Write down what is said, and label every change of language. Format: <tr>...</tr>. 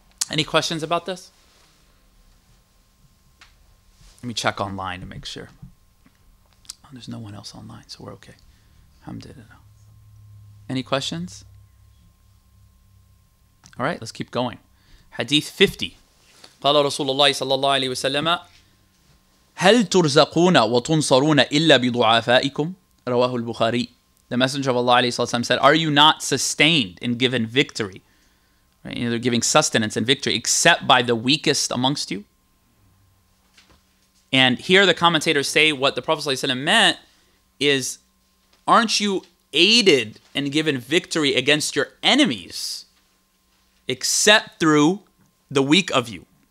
<en>Any questions about this? Let me check online to make sure. Oh, there's no one else online, so we're okay. Alhamdulillah. Any questions? All right, let's keep going. Hadith 50.</en> <ar>قال رسول الله صلى الله عليه وسلم هل ترزقون وتنصرون إلا بضعفائكم رواه البخاري.</ar> <en>The Messenger of Allah</en> <ar>عليه الصلاة والسلام</ar> <en>said, are you not sustained and given victory, right? They're giving sustenance and victory except by the weakest amongst you. And here the commentators say what the Prophet</en> <ar>صلى الله عليه وسلم</ar> <en>meant is, aren't you aided and given victory against your enemies except through the weak of you?</en>